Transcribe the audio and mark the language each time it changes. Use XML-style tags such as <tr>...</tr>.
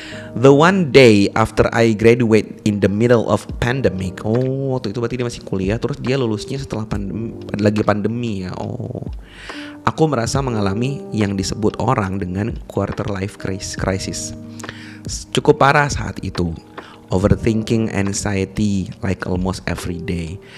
<en>The one day after I graduate in the middle of pandemic.</en> <id>Oh, waktu itu berarti dia masih kuliah, terus dia lulusnya setelah pandemi ya. Oh. Aku merasa mengalami yang disebut orang dengan quarter life crisis. Cukup parah saat itu.</id> <en>Overthinking anxiety like almost every day.</en>